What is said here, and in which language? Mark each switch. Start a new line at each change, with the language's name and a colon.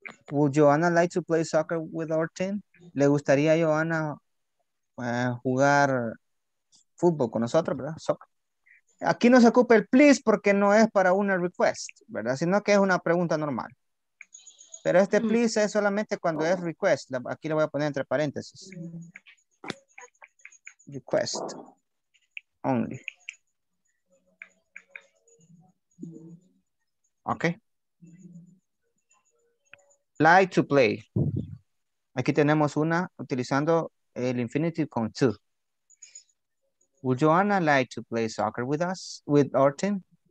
English: Would Joanna like to play soccer with our team?
Spanish: ¿Le gustaría a Joanna jugar fútbol con nosotros, verdad? Soccer. Aquí no se ocupa el please porque no es para una request, ¿verdad? Sino que es una pregunta normal. Pero este please es solamente cuando es request. Aquí lo voy a poner entre paréntesis.
English: Request only. Ok. Like to play.
Spanish: Aquí tenemos una utilizando el infinitive con to.
English: Would Joanna like to play soccer with us, with our team?